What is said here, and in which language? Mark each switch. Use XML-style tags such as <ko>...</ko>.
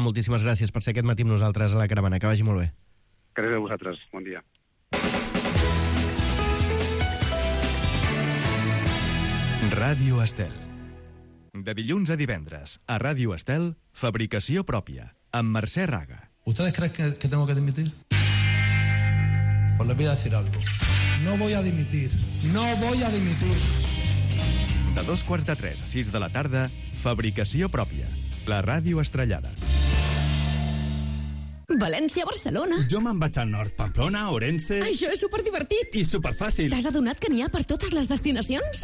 <ca>Moltíssimes gràcies per ser aquest matí amb nosaltres a la caravana. Que vagi molt bé. Gràcies a vosaltres. Bon dia. Ràdio Estel. De dilluns a divendres, a Ràdio Estel, fabricació pròpia, amb Mercè Raga.</ca> <es>¿Ustedes creen que tengo que dimitir? Pues les voy a decir algo. No voy a dimitir. No voy a dimitir.</es> <ca>De 2:15 a 3:00 a 6:00 de la tarda, fabricació pròpia, la ràdio estrellada. València-Barcelona. Jo me'n vaig al nord. Pamplona, Orense... Això és superdivertit. I superfàcil. T'has adonat que n'hi ha per totes les destinacions?</ca>